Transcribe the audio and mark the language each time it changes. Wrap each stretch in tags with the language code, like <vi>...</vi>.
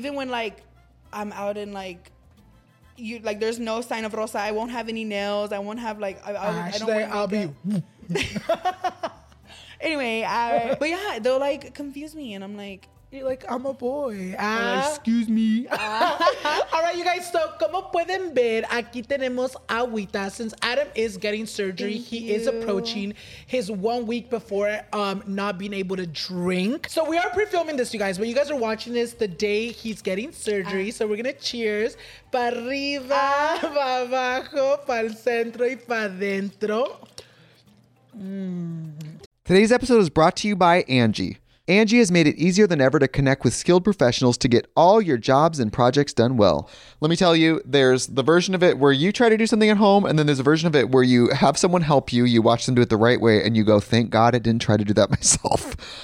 <en>Even when like I'm out and like you like there's no sign of Rosa, I won't have any nails, I won't have like I'll be anyway, but yeah, they'll like confuse me and I'm like, you're like, I'm a boy. Excuse me. All right, you guys.</en> <es>So, como pueden ver, aquí tenemos agüita.</es> <en>Since Adam is getting surgery, he is approaching his 1 week before not being able to drink. So, we are pre-filming this, you guys. But you guys are watching this the day he's getting surgery. So, we're going to cheers.</en> <es>Para arriba, para abajo, para el centro y para adentro.</es> <en>Today's episode is brought to you by Angie. Angie has made it easier than ever to connect with skilled professionals to get all your jobs and projects done well. Let me tell you, there's the version of it where you try to do something at home, and then there's a version of it where you have someone help you, you watch them do it the right way, and you go, thank God I didn't try to do that myself.</en>